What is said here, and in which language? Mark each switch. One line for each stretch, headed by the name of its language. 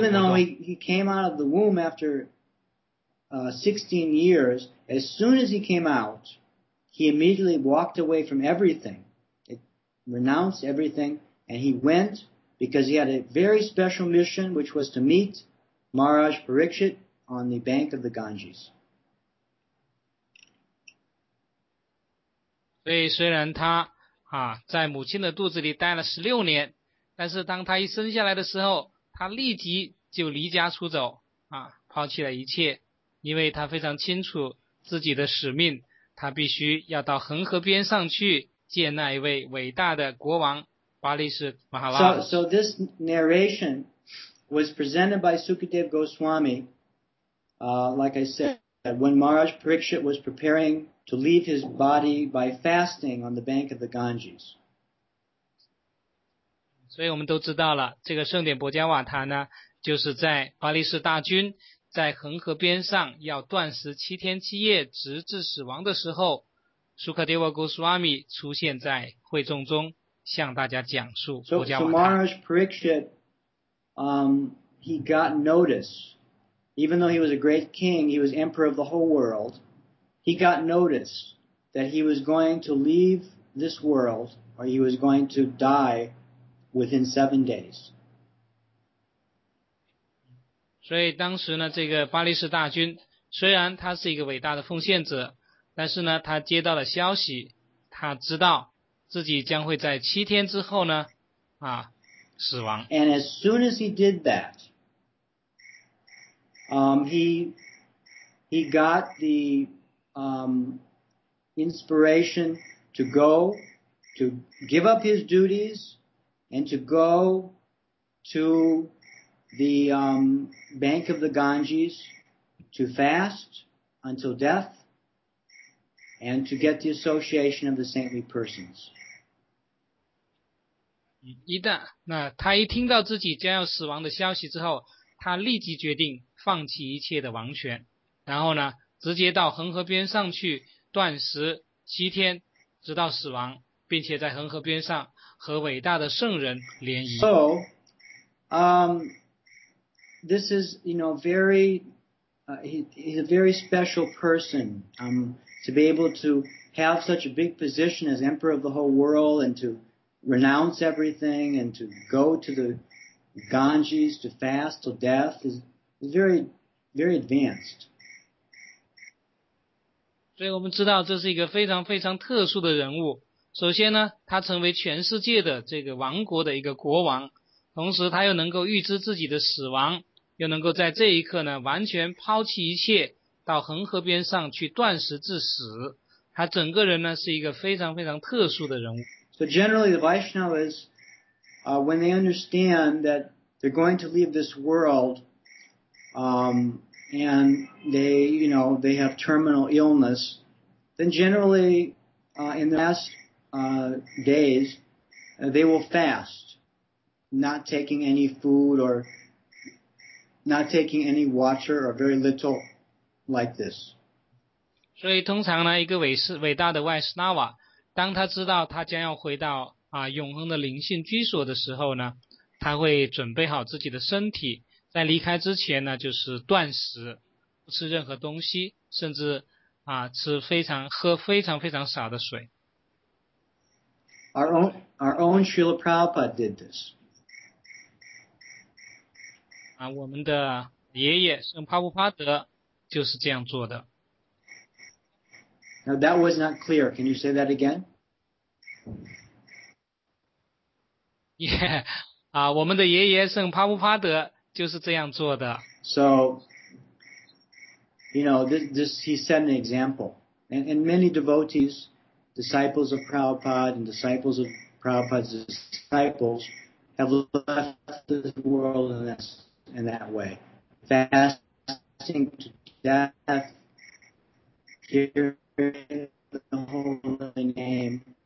English: So even though he came out of the womb after 16 years, as soon as he came out,He immediately walked away from everything, renounced everything, and he went because he had a very special mission, which was to meet Maharaj Parikshit on the bank of the Ganges.
Chinese: 所以虽然他啊在母亲的肚子里待了16年，但是当他一生下来的时候，他立即就离家出走啊，抛弃了一切，因为他非常清楚自己的使命。他必须要到恒河边上去见那一位伟大的国王巴利士马哈拉。
English: So this narration was presented by Sukadev Goswami, like I said, when Maharaj Parikshit was preparing to leave his body by fasting on the bank of the Ganges.
Chinese: 所以我们都知道了，这个圣典薄伽瓦坛呢，就是在巴利士大军在恒河边上要断食七天七夜直至死亡的时候，苏克德瓦·戈斯瓦米出现在会众中向大家讲述薄伽瓦坛。
English: So Maharaj Parikshit, he got notice. Even though he was a great king, he was emperor of the whole world, he got notice that he was going to leave this world or he was going to die within 7 days.
Chinese: 所以当时呢，这个巴利士大军虽然他是一个伟大的奉献者，但是呢，他接到了消息，他知道自己将会在七天之后呢，啊，死亡。
English: And as soon as he did that, he got the inspiration to go to give up his duties and to go to. The bank of the Ganges to fast until death and to get the association of the saintly persons.
Chinese: 一旦那他一听到自己将要死亡的消息之后，他立即决定放弃一切的王权，然后呢，直接到恒河边上去断食七天，直到死亡，并且在恒河边上和伟大的圣人联谊。
English: So, This is, you know, very, he's a very special person, to be able to have such a big position as emperor of the whole world and to renounce everything and to go to the Ganges to fast till death is very, very advanced.
Chinese: 所以我们知道这是一个非常非常特殊的人物。首先呢，他成为全世界的这个王国的一个国王，同时他又能够预知自己的死亡。又能够在这一刻呢，完全抛弃一切，到恒河边上去断食致死。他整个人呢，是一个非常非常特殊的人物。
English: So generally, the Vaishnavas, when they understand that they're going to leave this world, and they, you know, they have terminal illness, then generally, in the last days, they will fast, not taking any food or. Not taking any water or very little like this.
Chinese: 所以通常呢，一个伟大的 Vaishnava， 当他知道他将要回到啊永恒的灵性居所的时候呢，他会准备好自己的身体，在离开之前呢，就是断食，不吃任何东西，甚至啊吃非常喝非常非常少的水。
English: Our own Srila Prabhupada did this.
Chinese: 啊，我们的爷爷圣帕布帕德就是这样做的。
English: Now that was not clear. Can you say that again?
Chinese: Yeah, 我们的爷爷圣帕布帕德就是这样做的。
English: So, you know, this he set an example. And many devotees, disciples of Prabhupada and disciples of Prabhupada's disciples, have left this world in that way. Fasting to death, hearing the holy name.